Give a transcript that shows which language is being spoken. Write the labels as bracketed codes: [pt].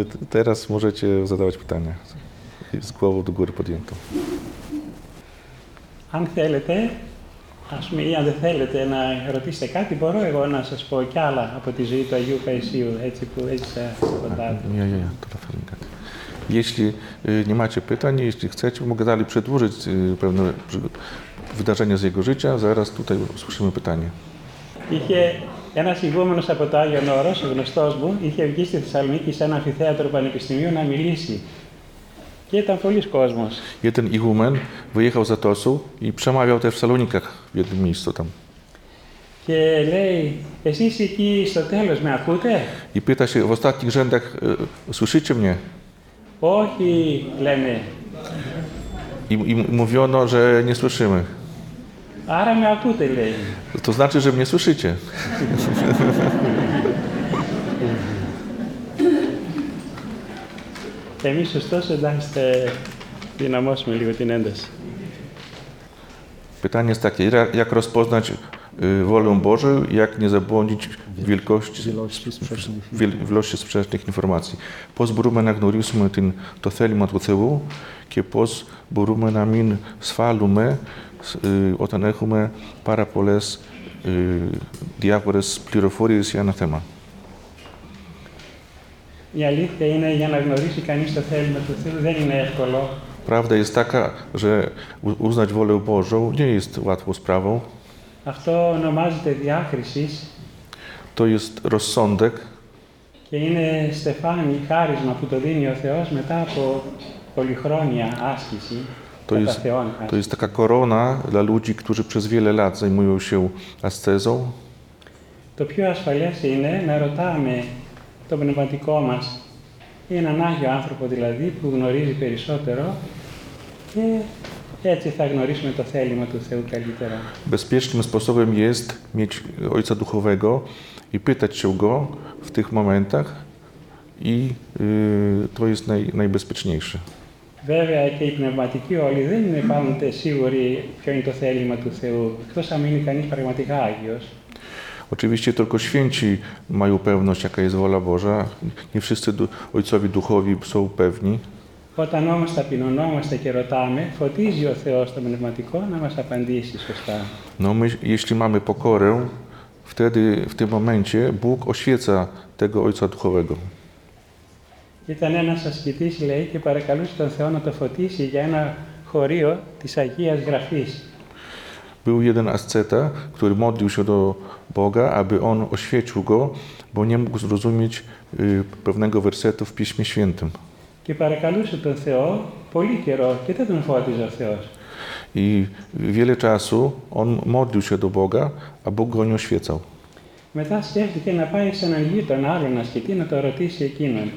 [pl] Teraz możecie zadawać pytania. Z głową do góry podjęto. [el] Αν θέλετε, ας πούμε, ή αν δεν θέλετε να ρωτήσετε κάτι, μπορώ εγώ να σας πω κι άλλα από τη ζωή του Αγίου Παϊσίου, έτσι που έζησα κοντά του. Ναι, ναι, ναι, τώρα θέλω κάτι. [pl] Jeśli nie macie pytań, jeśli chcecie, mogę dalej przedłużyć pewne wydarzenia z jego życia. Zaraz tutaj usłyszymy pytanie. [el] Είχε ένας ηγούμενος από το Άγιον Όρος, γνωστός μου, είχε βγει στη Θεσσαλονίκη σε ένα αμφιθέατρο πανεπιστημίου να μιλήσει. Και ήταν πολλής κόσμος. [pl] Jeden ηγούμεν wyjechał za Tosu i przemawiał też w Salonikach w jednym miejscu tam. [el] Και λέει, εσείς εκεί στο τέλος με ακούτε? [pl] I pyta się, w ostatnich rzędach słyszycie mnie? [el] Όχι, λέμε. [pl] I mówiono, że nie słyszymy. [el] Άρα με ακούτε, λέει. [pl] To znaczy, że mnie słyszycie. [el] Εμείς, ωστόσο, εντάξτε, δυναμώσουμε λίγο την ένταση. [pl] Pytanie jest takie, jak rozpoznać wolę Bożą, jak nie zabłądzić w wielkości sprzecznych informacji. [el] Πώς μπορούμε να γνωρίσουμε την, το θέλημα του Θεού και πώς μπορούμε να μην σφάλουμε όταν έχουμε πάρα πολλές διάφορες πληροφορίες για ένα θέμα. Η αλήθεια είναι, για να γνωρίσει κανείς το θέλημα του Θεού δεν είναι εύκολο. [pl] Prawda jest taka, że uznać wolę Bożą nie jest łatwą sprawą. [el] Αυτό ονομάζεται διάκρισης. [pl] To jest rozsądek. [el] Και είναι στεφάνι, χάρισμα που το δίνει ο Θεός μετά από πολυχρόνια άσκηση. [pl] To jest taka korona dla ludzi, którzy przez wiele lat zajmują się ascezą. [el] Το πιο ασφαλές είναι να ρωτάμε το πνευματικό μας ή έναν άγιο άνθρωπο δηλαδή που γνωρίζει περισσότερο και έτσι θα γνωρίσουμε το θέλημα του Θεού καλύτερα. [pl] Bezpiecznym sposobem jest mieć Ojca Duchowego i pytać się Go w tych momentach i to jest najbezpieczniejsze. [el] Βέβαια και οι πνευματικοί όλοι δεν είναι πάντοτε σίγουροι ποιο είναι το θέλημα του Θεού, εκτός αν είναι κανείς πραγματικά Άγιος. [pl] Oczywiście tylko święci mają pewność, jaka jest wola Boża. Nie wszyscy ojcowie duchowi są pewni. [el] Όταν όμως ταπεινωνόμαστε και ρωτάμε, φωτίζει ο Θεός το πνευματικό να μας απαντήσει σωστά. [pl] No, my, jeśli mamy pokorę, wtedy, w tym momencie, Bóg oświeca tego Ojca Duchowego. [el] Ήταν ένας ασκητής, λέει, και παρακαλούσε τον Θεό να το φωτίσει για ένα χωρίο της Αγίας Γραφής. [pl] Był jeden asceta, który modlił się do Boga, aby On oświecił go, bo nie mógł zrozumieć pewnego wersetu w Piśmie Świętym. [el] Και παρακαλούσε τον Θεό πολύ καιρό και δεν τον φώτιζε ο Θεός. [pl] I wiele czasu on modlił się do Boga, a Bóg go nie oświecał. [el] Μετά σκέφτηκε να πάει σε έναν γείτον, άλλον ασκητή, να το ρωτήσει εκείνον.